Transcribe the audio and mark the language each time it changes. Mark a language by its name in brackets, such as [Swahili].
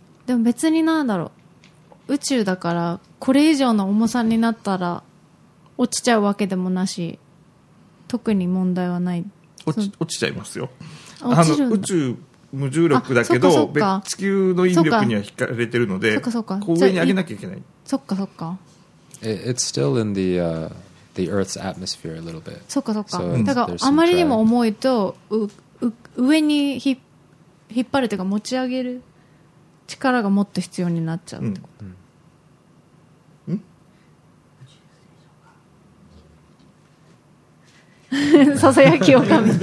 [Japanese] でも別になんだろう、宇宙だからこれ以上の重さになったら落ちちゃうわけでもなし、特に問題はない。落ちちゃいますよ。宇宙無重力だけど地球の引力には引かれてるので、そっか上に上げなきゃいけない。そっか [English] It's still in the Earth's atmosphere a little bit. [Japanese] そっか、so、だからあまりにも重いと上に引っ張るというか持ち上げる力がもっと必要になっちゃうってこと、ささやきをかみ。